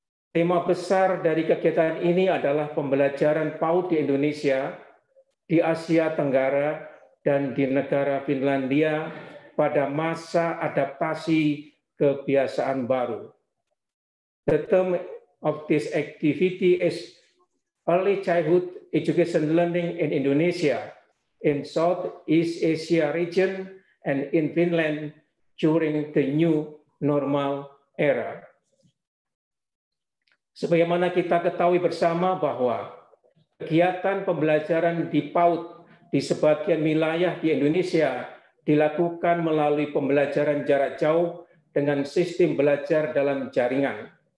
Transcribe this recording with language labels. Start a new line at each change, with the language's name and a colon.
Indonesian: Tema besar dari kegiatan ini adalah pembelajaran PAUD di Indonesia, di Asia Tenggara, dan di negara Finlandia pada masa adaptasi kebiasaan baru.
English: The term of this activity is Early Childhood Education Learning in Indonesia, in Southeast Asia region, and in Finland during the new normal era.
Indonesian: Sebagaimana kita ketahui bersama bahwa kegiatan pembelajaran di PAUD di sebagian wilayah di Indonesia dilakukan melalui pembelajaran jarak jauh dengan sistem belajar dalam jaringan.